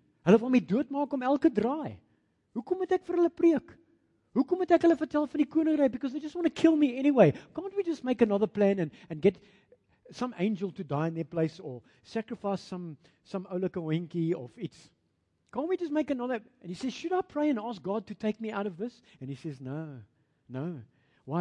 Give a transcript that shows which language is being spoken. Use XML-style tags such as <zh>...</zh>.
<af>Hulle wil my doodmaak om elke draai. Hoekom moet ek vir hulle preek? Hoekom moet ek hulle vertel van die koninkryk?</af> <en>Because they just want to kill me anyway. Can't we just make another plan and get some angel to die in their place or sacrifice some</en> <af>oulike hoentjie of iets?</af> <en>Can't we just make another? And He says, should I pray and ask God to take me out of this? And He says, no. Why?</en>